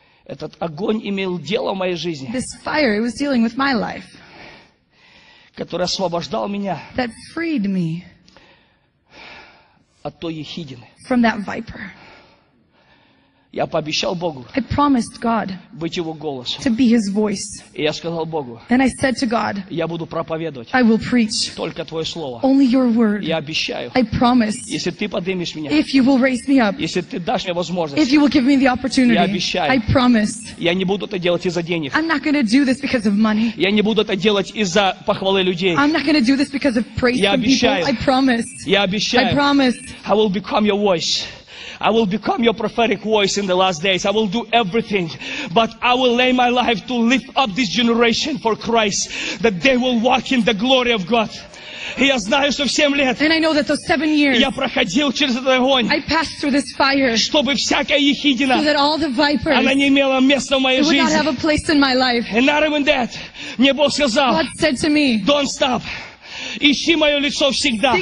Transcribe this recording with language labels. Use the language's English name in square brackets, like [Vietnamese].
[Russian] Этот огонь имел дело в моей жизни. [English] This fire, it was dealing with my life. [Russian] Который освобождал меня. [English] That freed me. [Russian] От той ехидины. [English] From that viper. [Russian] Я пообещал Богу. [English] I promised God. [Russian] Быть его голосом. [English] To be his voice. [Russian] И я сказал Богу. [English] And I said to God. [Russian] Я буду проповедовать. [English] I will preach. [Russian] Только твое слово. [English] Only your word. [Russian] Я обещаю. [English] I promise. [Russian] Если ты поднимешь меня. [English] If you will raise me up. [Russian] Если ты дашь мне возможность. [English] If you will give me the opportunity. [Russian] Я обещаю. [English] I promise. [Russian] Я не буду это делать из-за денег. [English] I'm not going to do this because of money. [Russian] Я не буду это делать из-за похвалы людей. [English] I'm not going to do this because of praise. [Russian] Я обещаю. [English] I promise. [Russian] Я обещаю. [English] I promise. I will become your voice. I will become your prophetic voice in the last days. I will do everything, but I will lay my life to lift up this generation for Christ, that they will walk in the glory of God. [Russian] И я знаю, что в 7 лет я проходил через этот огонь, [English] fire, [Russian] чтобы всякая ехидина, [English] so vipers, [Russian] она не имела места в моей жизни. И [English] not even that, [Russian] мне Бог сказал, [English] me, don't stop. [Russian] Ищи мое лицо всегда.